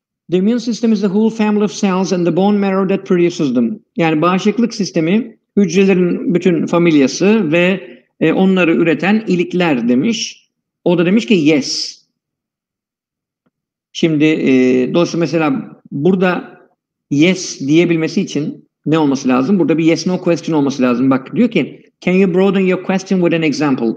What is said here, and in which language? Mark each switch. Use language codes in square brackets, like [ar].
[en] The immune system is the whole family of cells and the bone marrow that produces them. [tr] Yani bağışıklık sistemi hücrelerin bütün familyası ve onları üreten ilikler demiş. O da demiş ki yes. Şimdi dolayısıyla mesela burada yes diyebilmesi için ne olması lazım? Burada bir yes no question olması lazım. Bak diyor ki [en] can you broaden your question with an example?